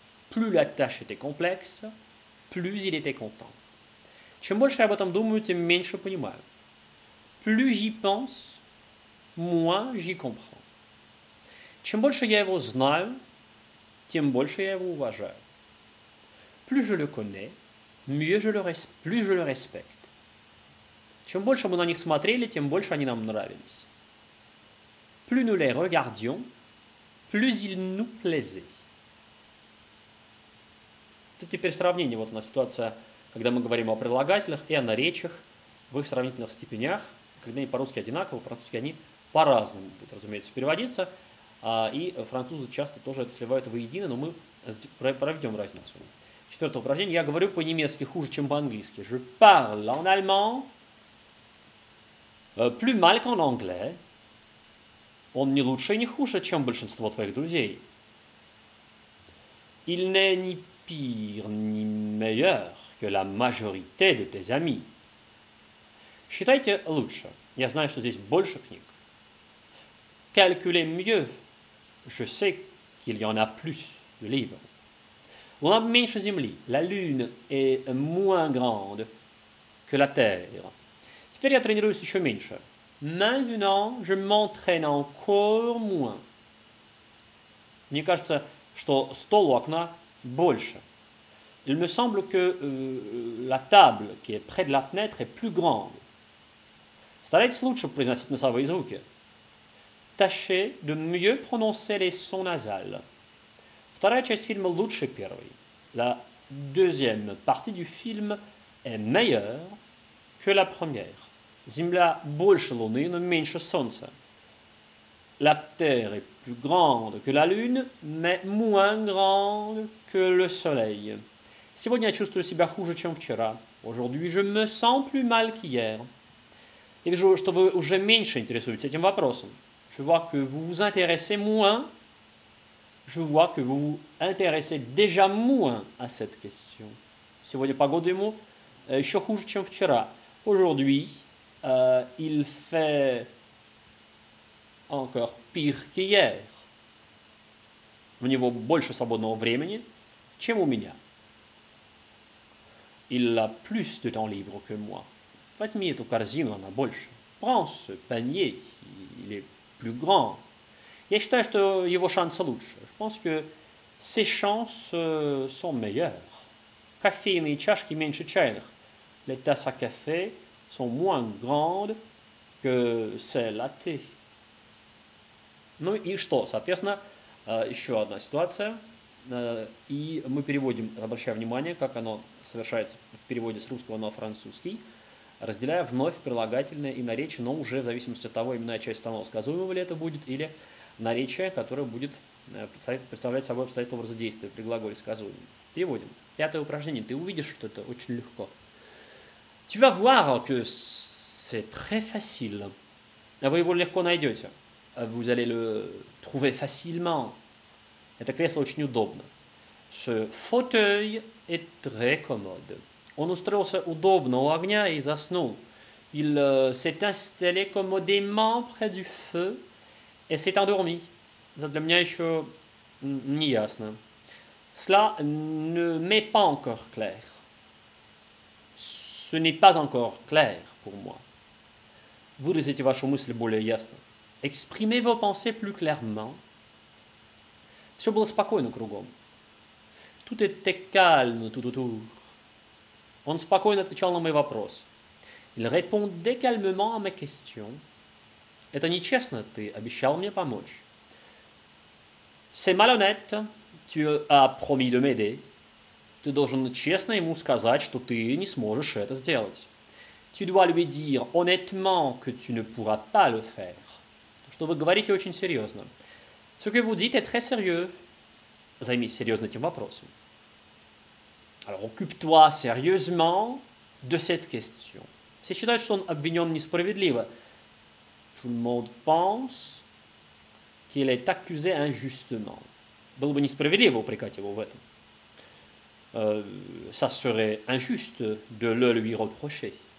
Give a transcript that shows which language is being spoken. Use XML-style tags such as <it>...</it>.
<fr>Plus la tâche était complexe, plus il était content.</fr> <ru>Чем больше я об этом думаю, тем меньше понимаю.</ru> <fr>Plus j'y pense, moins j'y comprends.</fr> <ru>Чем больше я его знаю, тем больше я его уважаю.</ru> <fr>Plus je le connais, plus je le respecte.</fr> <ru>Чем больше мы на них смотрели, тем больше они нам нравились.</ru> <fr>Plus nous les regardions, plus ils nous plaisaient.</fr> <ru>Тут теперь сравнение. Вот у нас ситуация, когда мы говорим о прилагательных и о наречиях в их сравнительных степенях. Когда они по-русски одинаковы, по-французски они по-разному будут, разумеется, переводиться. И французы часто тоже это сливают воедино, но мы проведем разницу. Четвертое упражнение. Я говорю по-немецки хуже, чем по-английски.</ru> <fr>Je parle en allemand plus mal qu'en anglais.</fr> <ru>Он не лучше и не хуже, чем большинство твоих друзей.</ru> <fr>Il n'est ni pire ni meilleur que la majorité de tes amis.</fr> <ru>Считайте лучше. Я знаю, что здесь больше книг.</ru> <fr>Calculez mieux. Je sais qu'il y en a plus de livres. On a moins de</fr> <ru>земли.</ru> <fr>La lune est moins grande que la terre.</fr> <ru>Теперь я тренируюсь еще меньше.</ru> <fr>Maintenant, je m'entraîne encore moins.</fr> <ru>Мне кажется, что стол у окна больше.</ru> <fr>Il me semble que la table qui est près de la fenêtre est plus grande.</fr> <ru>Старайтесь лучше произносить носовые звуки.</ru> <fr>Tâchez de mieux prononcer les sons nasales.</fr> <ru>Вторая часть фильма лучше первой.</ru> <fr>La deuxième partie du film est meilleure que la première.</fr> <ru>Земля больше луны, но меньше солнца.</ru> <fr>La Terre est plus grande que la Lune, mais moins grande que le Soleil.</fr> <ru>Сегодня я чувствую себя хуже, чем вчера.</ru> <fr>Aujourd'hui, je me sens plus mal qu'hier.</fr> <ru>Я вижу, что вы уже меньше интересуетесь этим вопросом.</ru> <fr>Je vois que vous vous intéressez moins. Je vois que vous vous intéressez déjà moins à cette question.</fr> <ru>Сегодня погода ему еще хуже, чем вчера.</ru> <fr>Aujourd'hui, il fait encore pire qu'hier.</fr> <ru>У него больше свободного времени, чем у меня.</ru> <fr>Il a plus de temps libre que moi.</fr> <ru>Возьми эту корзину, она больше.</ru> <fr>Prends ce panier, il est plus grand.</fr> <ru>Я считаю, что его шансы лучше.</ru> <fr>Je pense que ses chances sont meilleures.</fr> <ru>Кофейные чашки меньше чайных.</ru> <fr>Les tasses à café sont moins grandes que celles à thé.</fr> <ru>Ну и что? Соответственно, еще одна ситуация. И мы переводим, обращая внимание, как оно совершается в переводе с русского на французский, разделяя вновь прилагательное и наречие, но уже в зависимости от того, именная часть станового сказуемого ли это будет, или наречие, которое будет представлять собой обстоятельство образа действия при глаголе сказуемом. Переводим. Пятое упражнение. Ты увидишь, что это очень легко.</ru> <fr>Tu vas voir que c'est très facile.</fr> <ru>Вы его легко найдете.</ru> <fr>Vous allez le trouver facilement.</fr> <ru>Это кресло очень удобно.</ru> <fr>Ce fauteuil est très commode.</fr> <ru>Он устроился удобно у огня и заснул.</ru> <fr>Il s'est installé commodément près du feu et s'est endormi. Ça,</fr> <ru>для меня еще не ясно.</ru> <fr>Cela ne m'est pas encore clair. Ce n'est pas encore clair pour moi.</fr> <ru>Выразите вашу мысль более ясно.</ru> <fr>Exprimez vos pensées plus clairement.</fr> <ru>Все было спокойно кругом.</ru> <fr>Tout était calme tout autour.</fr> <ru>Он спокойно отвечал на мои вопросы.</ru> <fr>Il répondait calmement à mes questions.</fr> <ru>Это нечестно, ты обещал мне помочь.</ru> <fr>C'est malhonnête, tu as promis de m'aider.</fr> <ru>Ты должен честно ему сказать, что ты не сможешь это сделать.</ru> <fr>Tu dois lui dire honnêtement que tu ne pourras pas le faire.</fr> <ru>Что вы говорите очень серьезно.</ru> <fr>Ce que vous dites est très sérieux.</fr> <ru>Займись серьезно этим вопросом.</ru> <fr>Alors occupe-toi sérieusement de cette question.</fr> <ru>Все считают, что он обвинен несправедливо.</ru> <fr>Tout le monde pense qu'il est accusé injustement.</fr> <ru>Было бы несправедливо упрекать его в этом.</ru> <fr>Ça serait injuste de le lui reprocher.</fr>